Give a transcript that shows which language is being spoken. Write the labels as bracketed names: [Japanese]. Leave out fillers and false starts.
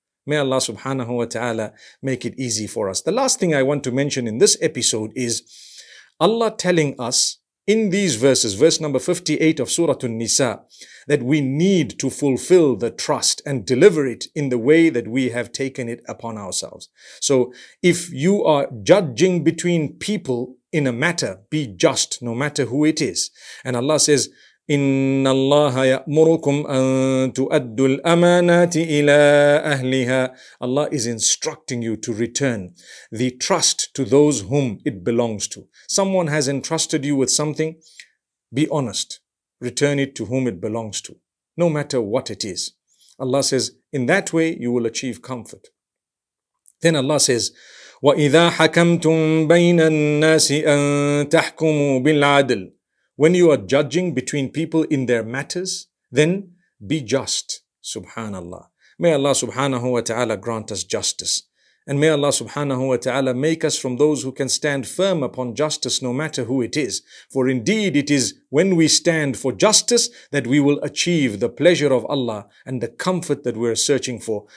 [English] May Allah subhanahu wa ta'ala make it easy for us. The last thing I want to mention in this episode is Allah telling us in these verses, verse number 58 of Surah An-Nisa, that we need to fulfill the trust and deliver it in the way that we have taken it upon ourselves. So if you are judging between people in a matter, be just no matter who it is. And Allah says, [Arabic] إن الله يأمركم أن تؤدوا الأمانات إلى أهلها. [English] Allah is instructing you to return the trust to those whom it belongs to. Someone has entrusted you with something, be honest, return it to whom it belongs to, no matter what it is. Allah says, in that way you will achieve comfort. Then Allah says, [Arabic] وَإِذَا حَكَمْتُمْ بَيْنَ النَّاسِ أَن تَحْكُمُوا بِالْعَدْلِ. [English] When you are judging between people in their matters, then be just, subhanallah. May Allah subhanahu wa ta'ala grant us justice. And may Allah subhanahu wa ta'ala make us from those who can stand firm upon justice no matter who it is. For indeed it is when we stand for justice that we will achieve the pleasure of Allah and the comfort that we're searching for.